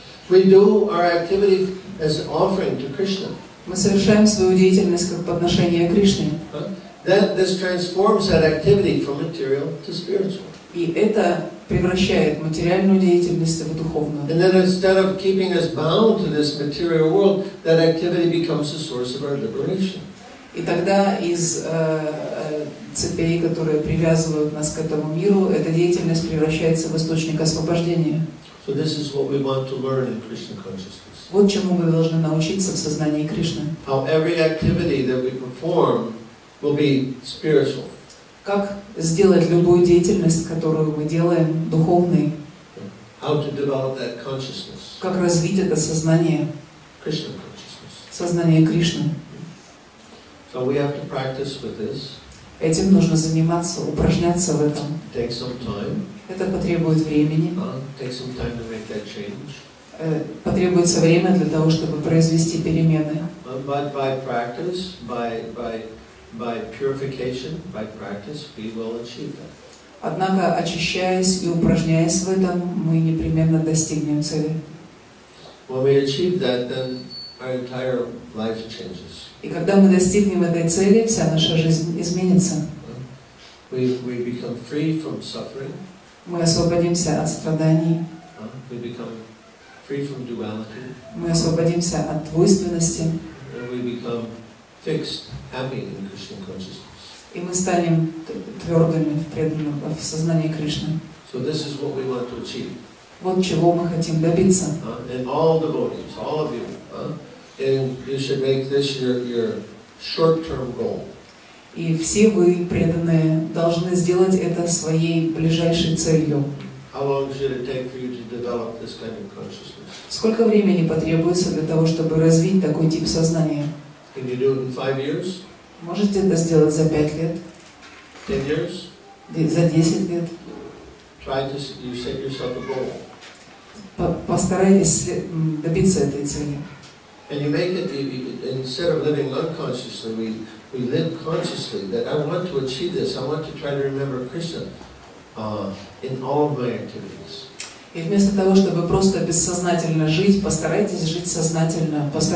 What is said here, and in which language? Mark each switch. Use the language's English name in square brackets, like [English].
[English] We do our activity as an offering to Krishna. [Russian] Мы совершаем свою деятельность как подношение Кришне. [English] Then this transforms that activity from material to spiritual. [Russian] И это превращает материальную деятельность в духовную. [English] And then instead of keeping us bound to this material world, that activity becomes the source of our liberation. [Russian] И тогда из цепей, которые привязывают нас к этому миру, эта деятельность превращается в источник освобождения. [English] So this is what we want to learn in Krishna consciousness. [Russian] Вот чему мы должны научиться в сознании Кришны. [English] How every activity that we perform will be spiritual. [Russian] Как сделать любую деятельность, которую мы делаем, духовной? [English] How to develop that consciousness? [Russian] Как развить это сознание? [English] Krishna consciousness. [Russian] Сознание Кришны. [English] So we have to practice with this. [Russian] Этим нужно заниматься, упражняться в этом. [English] Take some time. [Russian] Это потребует времени. [English] Take some time to make that change. [Russian] Потребуется время для того, чтобы произвести перемены. [English] But by practice, by purification, by practice, we will achieve that. [Russian] Однако, очищаясь и упражняясь в этом, мы непременно достигнем цели. [English] When we achieve that, then our entire life changes. [Russian] И когда мы достигнем этой цели, вся наша жизнь изменится. [English] We become free from suffering. [Russian] Мы освободимся от страданий. [English] We become free from duality. [Russian] Мы освободимся от двойственности. [English] And we become fixed, happy in Krishna consciousness. [Russian] И мы станем твердыми в преданном в сознании Кришны. [English] So this is what we want to achieve. [Russian] Вот чего мы хотим добиться. [English] And all devotees, all of you, and you should make this your short-term goal. [Russian] И все вы преданные должны сделать это своей ближайшей целью. [English] How long should it take for you to develop this kind of consciousness? [Russian] Сколько времени потребуется для того, чтобы развить такой тип сознания? [English] Can you do it in 5 years? [Russian] Можете это сделать за 5 лет? [English] 10 years? [Russian] За 10 лет? [English] Try to set yourself a goal. [Russian] Постарайтесь добиться этой цели. [English] And you make it instead of living unconsciously, we live consciously. That I want to achieve this. I want to try to remember Krishna in all of my activities. [Russian] И вместо того, чтобы просто бессознательно жить, постарайтесь жить сознательно.